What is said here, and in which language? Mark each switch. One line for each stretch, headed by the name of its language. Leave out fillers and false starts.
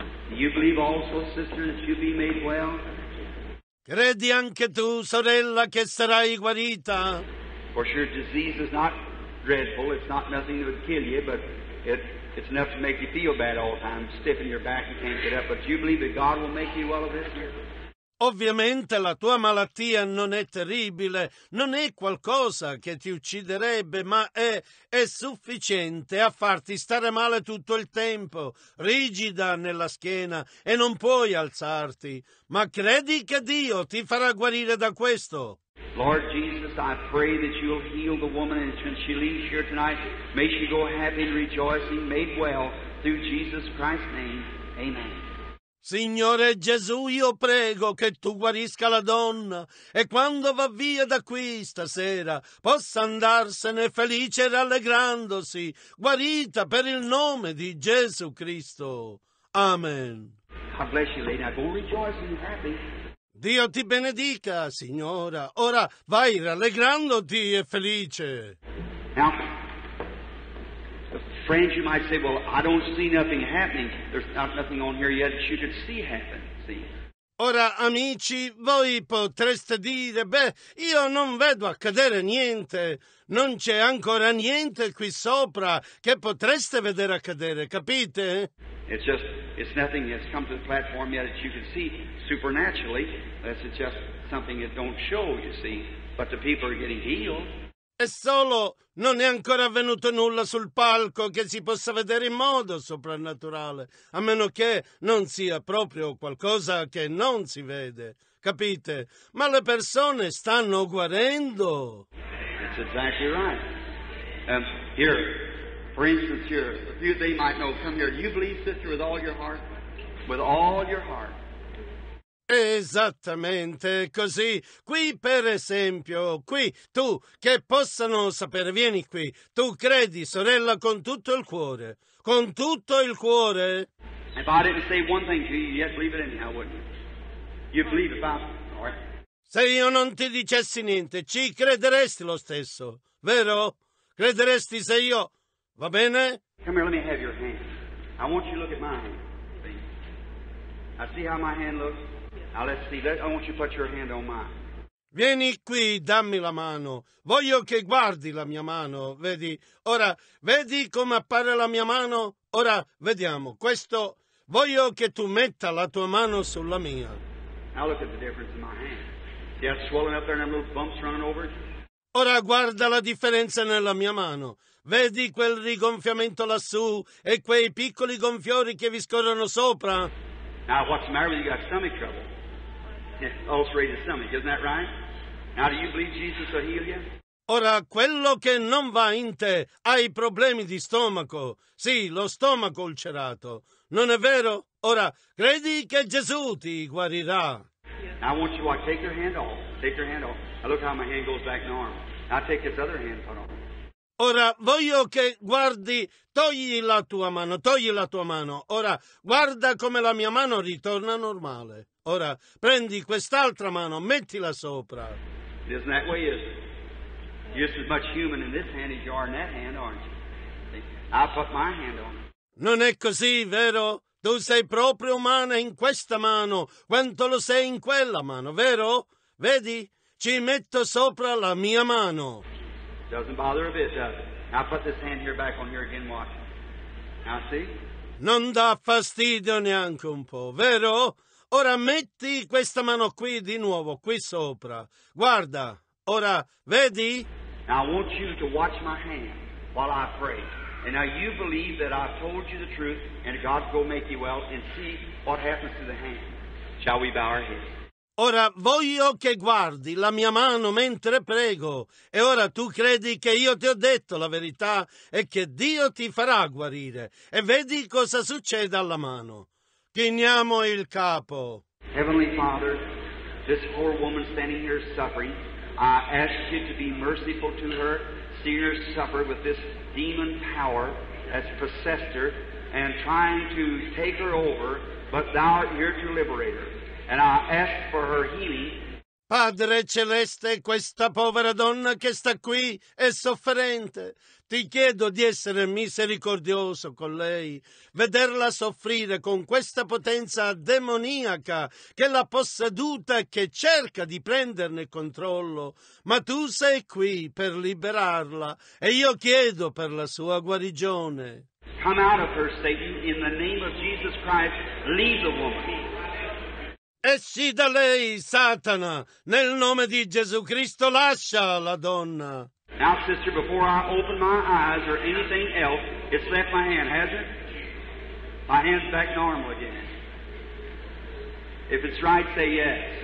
English: Do you believe also, sister, that you be made well?
Italian: Credi anche tu, sorella, che sarai guarita?
English: For sure, disease is not dreadful. It's not nothing that would kill you, but it's enough to make you feel bad all the time. Stiff in your back, you can't get up. But you believe that God will make you well of this?
Italian: Ovviamente la tua malattia non è terribile, non è qualcosa che ti ucciderebbe, ma è sufficiente a farti stare male tutto il tempo, rigida nella schiena e non puoi alzarti. Ma credi che Dio ti farà guarire da questo?
English: Lord Jesus, I pray that you'll heal the woman and when she leaves here tonight, may she go happy and rejoicing, made well through Jesus Christ's name. Amen.
Italian: Signore Gesù, io prego che tu guarisca la donna e quando va via da qui stasera possa andarsene felice e rallegrandosi, guarita per il nome di Gesù Cristo. Amen.
English: God bless you, lady. Go rejoicing and happy.
Italian: Dio ti benedica, signora. Ora vai rallegrandoti e felice.
English: Now, friends, you might say, well, I don't see nothing happening. There's not nothing on here yet that you could see happen, see?
Italian: Ora, amici, voi potreste dire, beh, io non vedo accadere niente. Non c'è ancora niente qui sopra che potreste vedere accadere, capite?
English: It's nothing that's come to the platform yet that you can see supernaturally. It's just something that don't show, you see. But the people are getting healed.
Italian: È solo, non è ancora avvenuto nulla sul palco che si possa vedere in modo soprannaturale, a meno che non sia proprio qualcosa che non si vede, capite? Ma le persone stanno guarendo.
English: That's exactly right. Here, for instance, here, a few they might know, come here, you believe, sister, with all your heart? With all your heart.
Italian: Esattamente così. Qui, per esempio, qui, tu, che possano sapere, vieni qui. Tu credi, sorella, con tutto il cuore. Con tutto il cuore.
English: If I didn't say one thing to you, you'd believe it anyhow, wouldn't you? You believe it by me, all right?
Italian: Se io non ti dicessi niente, ci crederesti lo stesso, vero? Crederesti se io... Va bene?
English: Come here, let me have your hand. I want you to look at my hand. I see how my hand looks. Now let's see. I want you to put your hand on mine.
Italian: Vieni qui, dammi la mano. Voglio che guardi la mia mano, vedi? Ora, vedi come appare la mia mano? Ora, vediamo. Questo, voglio che tu metta la tua mano sulla mia.
English: Now look at the difference in my hand. See, I've swollen up there and I have little bumps running over it.
Italian: Ora guarda la differenza nella mia mano. Vedi quel rigonfiamento lassù e quei piccoli gonfiori che vi scorrono sopra?
English: Now what's the matter with you? You got stomach trouble. Ulcerated stomach, isn't that right? Now do you believe Jesus will heal you?
Italian: Ora quello che non va in te, hai problemi di stomaco. Sì, lo stomaco ulcerato. Non è vero? Ora credi che Gesù ti guarirà?
English: Now I want you to watch. Take your hand off. Take your hand off. Now look how my hand goes back in the arm. Now take this other hand, put on.
Italian: Ora voglio che guardi, togli la tua mano, togli la tua mano. Ora guarda come la mia mano ritorna normale. Ora prendi quest'altra mano, mettila sopra.
English: Isn't that way? You're just as much human in this hand as you are in that hand, aren't you? I put my hand on.
Italian: Non è così, vero? Tu sei proprio umana in questa mano, quanto lo sei in quella mano, vero? Vedi? Ci metto sopra la mia mano.
English: Doesn't bother a bit, does it? Now put this hand here back on here again, watch. Now see?
Italian: Non dà fastidio neanche un po', vero? Ora metti questa mano qui di nuovo, qui sopra. Guarda, ora vedi?
English: Now I want you to watch my hand while I pray. And now you believe that I've told you the truth and God's going to make you well and see what happens to the hand. Shall we bow our heads?
Italian: Ora voglio che guardi la mia mano mentre prego. E ora tu credi che io ti ho detto la verità e che Dio ti farà guarire. E vedi cosa succede alla mano. Chiniamo il capo.
English: Heavenly Father, this poor woman standing here suffering, I ask you to be merciful to her, seeing her suffer with this demon power that's possessed her and trying to take her over, but thou art here to liberate her. And I ask for her healing.
Italian: Padre Celeste, questa povera donna che sta qui è sofferente. Ti chiedo di essere misericordioso con lei, vederla soffrire con questa potenza demoniaca che l'ha posseduta e che cerca di prenderne controllo. Ma tu sei qui per liberarla e io chiedo per la sua guarigione.
English: Come out of her, Satan, in the name of Jesus Christ, leave the woman.
Italian: Esci da lei, Satana, nel nome di Gesù Cristo, lascia la donna.
English: Now, sister, before I open my eyes or anything else, it's left my hand, has it? My hand's back normal again. If it's right, say yes.